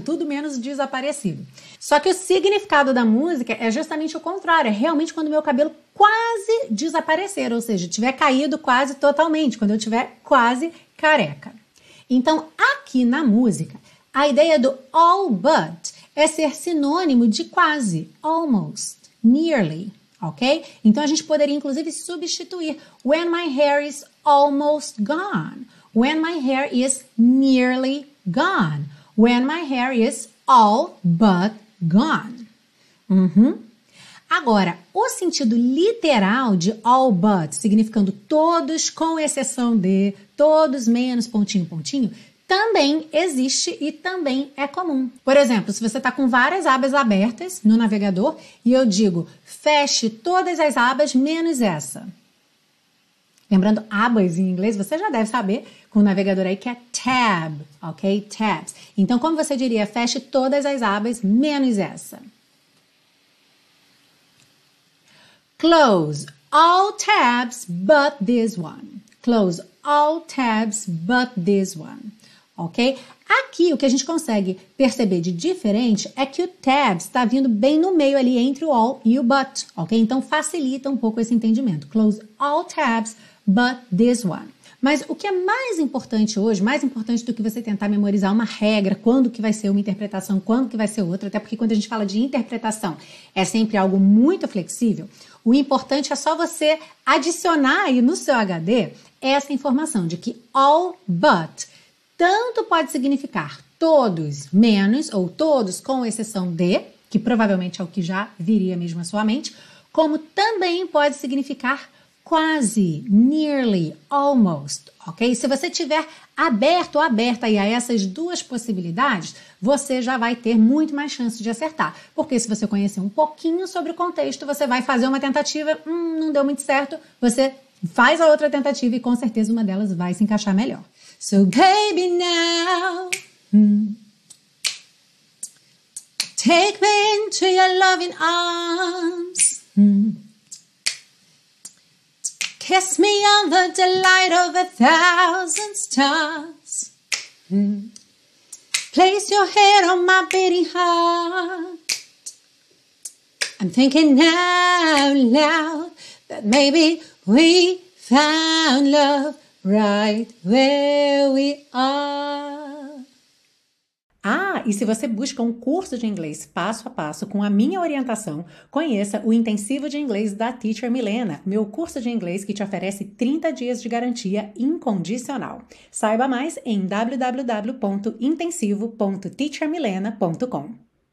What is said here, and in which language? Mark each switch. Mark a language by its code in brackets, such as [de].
[pt] Tudo menos desaparecido. Só que o significado da música é justamente o contrário, é realmente quando meu cabelo quase desaparecer, ou seja, tiver caído quase totalmente, quando eu tiver quase careca. Então, aqui na música, a ideia do [en] all but [pt] é ser sinônimo de quase, almost, nearly, ok? Então, a gente poderia, inclusive, substituir [en] when my hair is almost gone, when my hair is nearly gone, when my hair is all but gone. [pt] Uhum. Agora, o sentido literal de all but, significando todos com exceção de, todos menos pontinho, pontinho, também existe e também é comum. Por exemplo, se você está com várias abas abertas no navegador e eu digo, feche todas as abas menos essa. Lembrando, abas em inglês, você já deve saber com o navegador aí que é tab, ok? Tabs. Então, como você diria, feche todas as abas menos essa? [en] Close all tabs but this one. Close all tabs but this one. [pt] Ok? Aqui o que a gente consegue perceber de diferente é que o tabs está vindo bem no meio ali entre o all e o but. Ok? Então facilita um pouco esse entendimento. [en] Close all tabs but this one. [pt] Mas o que é mais importante hoje, mais importante do que você tentar memorizar uma regra, quando que vai ser uma interpretação, quando que vai ser outra, até porque quando a gente fala de interpretação é sempre algo muito flexível, o importante é só você adicionar aí no seu HD essa informação de que all but tanto pode significar todos menos ou todos com exceção de, que provavelmente é o que já viria mesmo à sua mente, como também pode significar quase, nearly, almost, ok? Se você tiver aberto ou aberta aí a essas duas possibilidades, você já vai ter muito mais chance de acertar. Porque se você conhecer um pouquinho sobre o contexto, você vai fazer uma tentativa, não deu muito certo, você faz a outra tentativa e com certeza uma delas vai se encaixar melhor. [en] So baby now, take me into your loving arms. Kiss me on the delight of a thousand stars. Place your head on my beating heart. I'm thinking out loud that maybe we found love right where we are. [pt] Ah, e se você busca um curso de inglês passo a passo com a minha orientação, conheça o Intensivo de Inglês da Teacher Milena, meu curso de inglês que te oferece 30 dias de garantia incondicional. Saiba mais em www.intensivo.teachermilena.com.